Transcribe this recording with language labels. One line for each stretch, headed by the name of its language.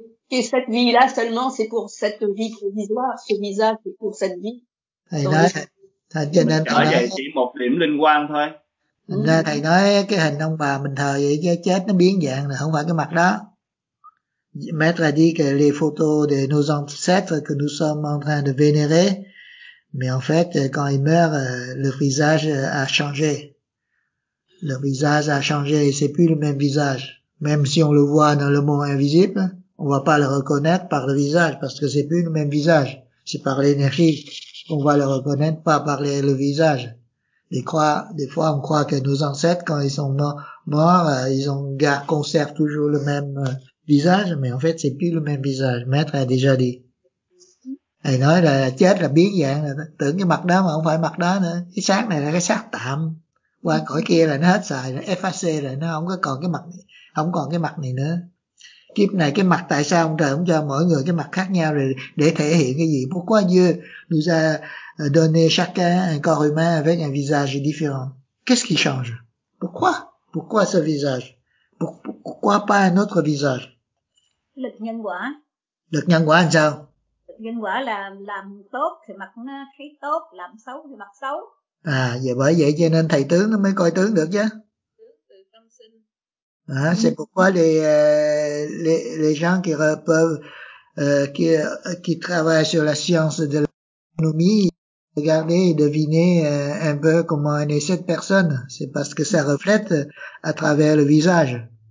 French: que cette vie-là seulement, c'est pour cette vie provisoire, ce visage, c'est pour cette vie.
Vietnamese: Thầy nói, thầy cho nên thầy nói, chỉ một điểm liên quan thôi. Thành ra thầy nói cái hình ông bà mình thờ vậy cái chết nó biến dạng là không phải cái mặt đó.
French: Mettre à dire que les photos de nos ancêtres que nous sommes en train de vénérer, mais en fait, quand ils meurent, le visage a changé. Le visage a changé et c'est plus le même visage. Même si on le voit dans le monde invisible, on va pas le reconnaître par le visage parce que c'est plus le même visage. C'est par l'énergie qu'on va le reconnaître, pas par le visage. Des fois, on croit que nos ancêtres, quand ils sont morts, ils ont conservé toujours le même visage, mais en fait, c'est plus le même visage. Maître a déjà dit.
Vietnamese: Thầy nói là chết là biến dạng, là tưởng cái mặt đó mà không phải mặt đó nữa. Cái xác này là cái xác tạm. Qua cõi kia là nó hết xài, nó FAC rồi, nó không có còn cái mặt này, không còn cái mặt này nữa. Kiếp này cái mặt tại sao ông trời không cho mỗi người cái mặt khác nhau rồi để thể hiện cái gì?
French: Pourquoi Dieu nous a donné chacun un corps humain avec un visage différent? Qu'est-ce qui change? Pourquoi? Pourquoi ce visage? Pourquoi pas un autre visage?
Vietnamese: Lực nhân quả. Lực nhân quả là sao? Lực nhân quả là làm tốt thì mặt nó thấy tốt, làm xấu thì mặt xấu. À, vậy bởi vậy cho nên thầy tướng nó mới coi tướng được chứ.
French: Ah, c'est pourquoi les gens qui peuvent qui travaillent sur la science de l'astronomie regarder et deviner un peu comment est cette personne, c'est parce que ça reflète à travers le visage.